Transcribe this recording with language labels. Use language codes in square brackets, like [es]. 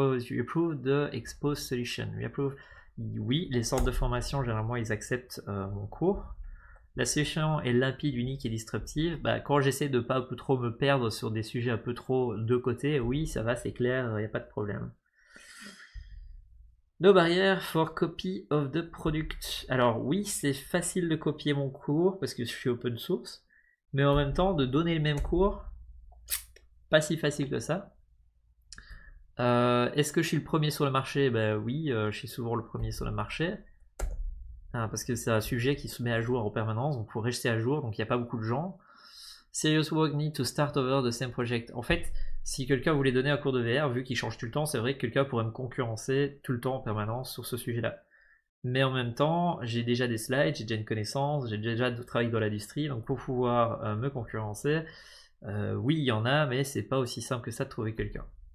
[en] We approve the exposed solution. We approve. [fr] Oui, les centres de formation, généralement, ils acceptent mon cours. La solution est limpide, unique et disruptive. Bah, quand j'essaie de pas un peu trop me perdre sur des sujets un peu trop de côté, oui, ça va, c'est clair, il n'y a pas de problème. [en] No barrier for copy of the product. [fr] Alors oui, c'est facile de copier mon cours parce que je suis open source, mais en même temps, de donner le même cours, pas si facile que ça. Est-ce que je suis le premier sur le marché? Bah, oui, je suis souvent le premier sur le marché. Ah, parce que c'est un sujet qui se met à jour en permanence, donc il faut rester à jour, donc il n'y a pas beaucoup de gens. [en] Serious work need to start over the same project. [fr] En fait, si quelqu'un voulait donner un cours de VR, vu qu'il change tout le temps, c'est vrai que quelqu'un pourrait me concurrencer tout le temps en permanence sur ce sujet-là. Mais en même temps, j'ai déjà des slides, j'ai déjà une connaissance, j'ai déjà de travail dans l'industrie, donc pour pouvoir me concurrencer, oui, il y en a, mais c'est pas aussi simple que ça de trouver quelqu'un.